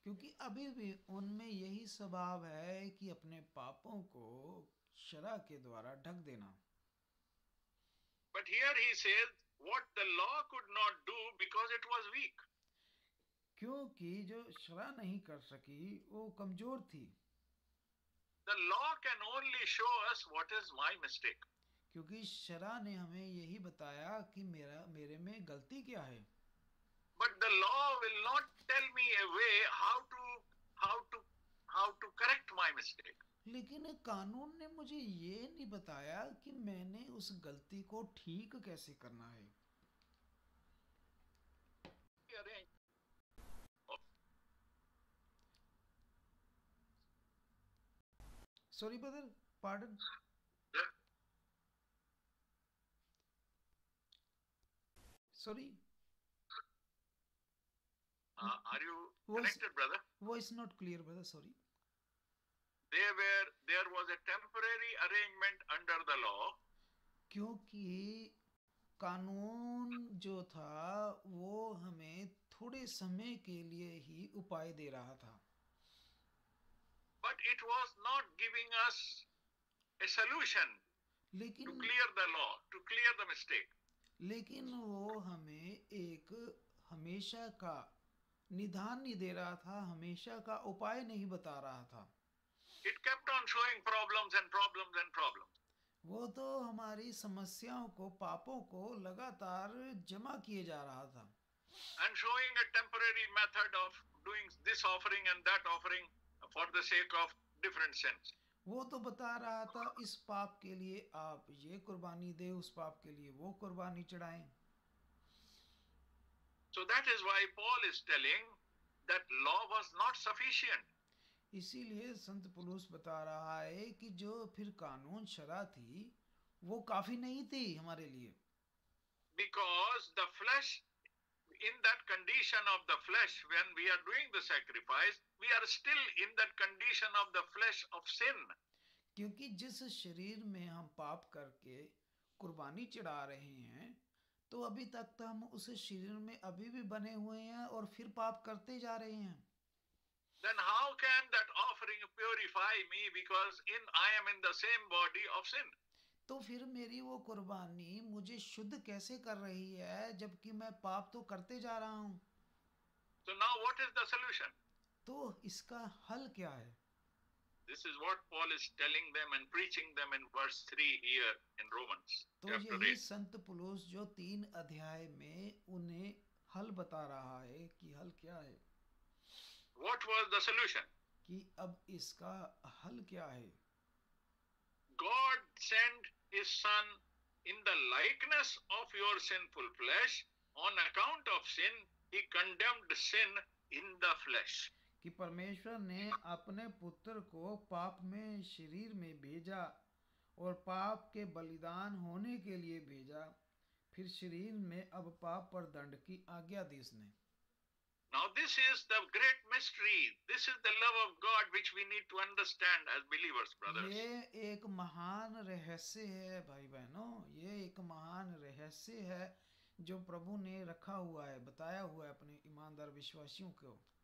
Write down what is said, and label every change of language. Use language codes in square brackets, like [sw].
[hi] क्योंकि अभी भी उनमें यही स्वभाव है कि अपने पापों को शरा के द्वारा ढक देना [en] but here he says what the law could not do because it was weak [hi] क्योंकि जो शरा नहीं कर सकी वो कमजोर थी [en] The law can only show us what is my mistake. [hi] क्योंकि शरा ने हमें यही बताया कि मेरा मेरे में गलती क्या है. [en] But the law will not tell me a way how to correct my mistake. [hi] लेकिन कानून ने मुझे ये नहीं बताया कि मैंने उस गलती को ठीक कैसे करना है. [en] Sorry, brother. Pardon. Sorry. Are you connected, voice, brother? Voice not clear, brother. Sorry. There was a temporary arrangement under the law. [hi] क्योंकि कानून जो था वो हमें थोड़े समय के लिए ही उपाय दे रहा था. [en] But it was not giving us a solution [hi] लेकिन, [en] to clear the law, to clear the mistake. [hi] लेकिन वो हमें एक हमेशा का निदान नहीं दे रहा था, हमेशा का उपाय नहीं बता रहा था. [en] It kept on showing problems and problems and problems. [hi] वो तो हमारी समस्याओं को, पापों को लगातार जमा किए जा रहा था. [en] And showing a temporary method of doing this offering and that offering. For the sake of different sins. [hi] वो तो बता रहा था इस पाप के लिए आप ये कुर्बानी दे उस पाप के लिए वो कुर्बानी चढ़ाएं. [en] So that is why Paul is telling that law was not sufficient. [hi] इसीलिए संत पुलुस बता रहा है कि जो फिर कानून शरा थी वो काफी नहीं थी हमारे लिए. [en] Because the flesh, in that condition of the flesh, when we are doing the sacrifice. We are still in that condition of the flesh of sin. [hi] क्योंकि जिस शरीर में हम पाप करके कुर्बानी चढ़ा रहे हैं, तो अभी तक तो हम उस शरीर में अभी भी बने हुए हैं और फिर पाप करते जा रहे हैं. [en] Then how can that offering purify me? Because I am in the same body of sin. [hi] तो फिर मेरी वो कुर्बानी मुझे शुद्ध कैसे कर रही है, जबकि मैं पाप तो करते जा रहा हूँ. [en] So now what is the solution? [hi] तो इसका हल क्या है? [en] This is what Paul is telling them and preaching them in verse 3 here in Romans. [hi] तो यही संत पुलोस जो तीन अध्याय में उन्हें हल बता रहा है कि हल क्या है. [en] What was the solution? [hi] कि अब इसका हल क्या है? [en] God sent his son in the likeness of your sinful flesh. On account of sin, he condemned sin in the flesh. [hi] कि परमेश्वर ने अपने पुत्र को पाप में शरीर में भेजा और पाप के बलिदान होने के लिए भेजा, फिर शरीर में अब पाप पर दंड की आज्ञा दी उसने. [en] Now this is the great mystery. This is the love of God which we need to understand as believers, brothers. [hi] ये एक महान रहस्य है भाई बहनों, ये एक महान रहस्य है जो प्रभु ने रखा हुआ है, बताया हुआ है अपने ईमानदार विश्वासियों को.